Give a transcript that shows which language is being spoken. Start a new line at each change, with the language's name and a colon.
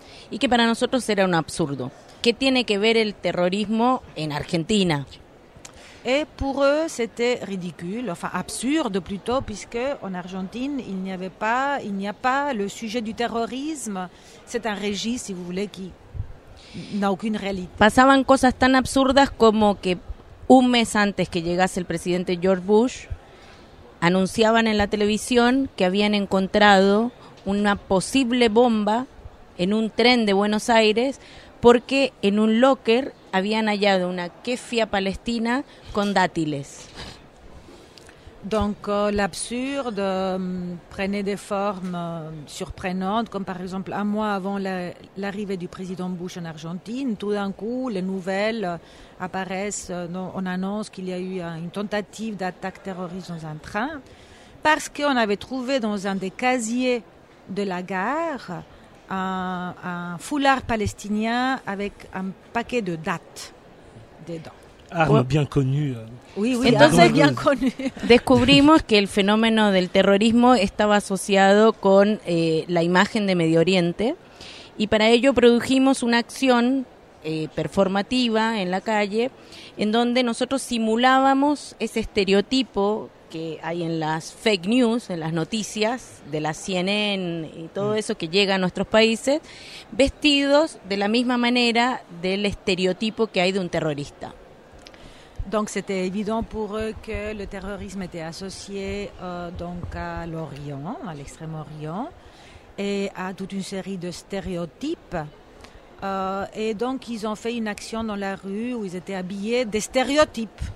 Spanish: Y que para nosotros era un absurdo. ¿Qué tiene que ver el terrorismo en Argentina?
French: Et pour eux, c'était ridicule, enfin absurde plutôt, puisque en Argentine, il n'y a pas le sujet du terrorisme. C'est un régime, si vous voulez, qui n'a aucune réalité.
Spanish: Pasaban cosas tan absurdas como que un mes antes que llegase el presidente George Bush, anunciaban en la televisión que habían encontrado una posible bomba en un tren de Buenos Aires, porque en un locker habían hallado una kefia palestina con dátiles.
French: Donc l'absurde prenait des formes surprenantes, comme par exemple un mois avant l'arrivée du président Bush en Argentine, tout d'un coup les nouvelles apparaissent, on annonce qu'il y a eu une tentative d'attaque terroriste dans un train, parce qu'on avait trouvé dans un des casiers de la gare un foulard palestinien avec un paquet de dates dedans. Arme bien connue. Oui, entonces, bien connue.
Spanish: Descubrimos que el fenómeno del terrorismo estaba asociado con la imagen de Medio Oriente, y para ello produjimos una acción performativa en la calle, en donde nosotros simulábamos ese estereotipo que hay en las fake news, en las noticias de la CNN y todo eso que llega a nuestros países, vestidos de la misma manera del estereotipo que hay de un terrorista.
French: Donc c'était évident pour eux que le terrorisme était associé donc à l'Orient, à l'extrême Orient, et à toute une série de stéréotypes. Et donc ils ont fait une action dans la rue où ils étaient habillés des stéréotypes.